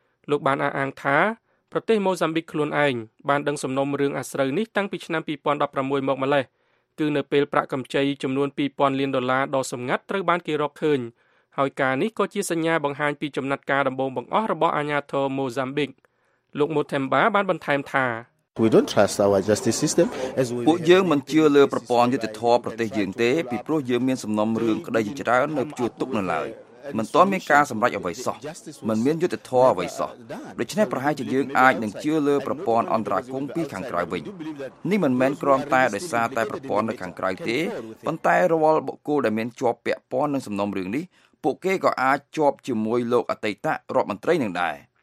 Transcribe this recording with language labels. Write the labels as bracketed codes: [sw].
[km] លោកបានអះអាងថាប្រទេសម៉ូហ្សាំប៊ិកខ្លួនឯងបានដឹងសំណុំរឿងអាស្រូវនេះតាំងពីឆ្នាំ2016មកម្ល៉េះគឺនៅពេលប្រាក់កម្ចីចំនួន 2,000 លានដុល្លារដ៏សម្ងាត់ត្រូវបានគេរកឃើញហើយការនេះក៏ជាសញ្ញាបង្ហាញពីចំណាត់ការដំបូងបង្អស់របស់អាជ្ញាធរម៉ូហ្សាំប៊ិកលោក Mutemba បានបន្ថែមថា [en] We don't trust our justice system as we [km] ពួកយើងមិនជឿលើប្រព័ន្ធយុត្តិធម៌ប្រទេសយើងទេពីព្រោះយើងមានសំណុំរឿងក្តីច្រើននៅជួរទុកនៅឡើយមិនទាន់មានការសម្រេចអ្វីសោះមិនមានយុត្តិធម៌អ្វីសោះដូច្នេះប្រហែលជាយើងអាចនឹងជឿលើប្រព័ន្ធអន្តរការគមពីខាងក្រៅវិញនេះមិនមែនគ្រាន់តែដោយសារតែប្រព័ន្ធនៅខាងក្រៅទេប៉ុន្តែរាល់បុគ្គលដែលមានជាប់ពាក់ព័ន្ធនឹងសំណុំរឿងនេះពួកគេក៏អាចជាប់ជាមួយលោកអតីតរដ្ឋមន្ត្រីនឹងដែរ